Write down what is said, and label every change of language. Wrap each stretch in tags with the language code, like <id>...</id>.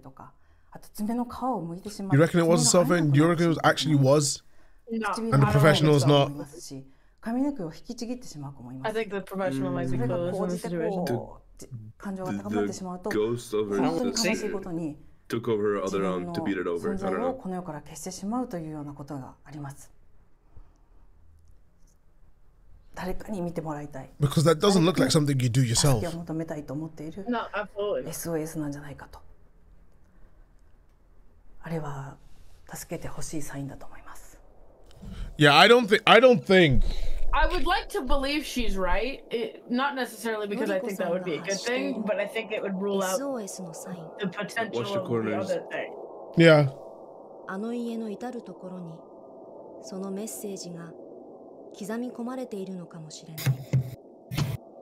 <ja>外に出られないということで、自分に対してこう怒りを感じてるんですね。で、外にいられないことで孤独感も感じている。他のみんなと同じようなことができないということで劣等感も感じている。彼女のあれは自傷行為です。小さい子ですと爪を噛んだりとか、あと爪の皮を剥いてしまう。</ja> <en>You reckon it was something? You reckon it actually was? No. And the professional is not.</en> <ja>髪の毛を引きちぎってしまう子もいます。</ja> <en>I think the professional might be close in the situation. The ghost of her took over her other arm to beat it over.</en> <ja>誰かに見てもらいたい。</ja> <en>Because that doesn't look like something you do yourself.</en> <ja>助けを求めたいと思っている。</ja> <en>No, absolutely.</en> <ja>SOS なんじゃないかと。あれは助けてほしいサインだと思います。</ja> <en>Yeah, I don't think I would like to believe she's right. Not necessarily because I think that would be a good thing, but I think it would rule out the potential of the other thing. Yeah.</en> <ja>あの家の至るところにそのメッセージが刻み込まれているのかもしれない。</ja>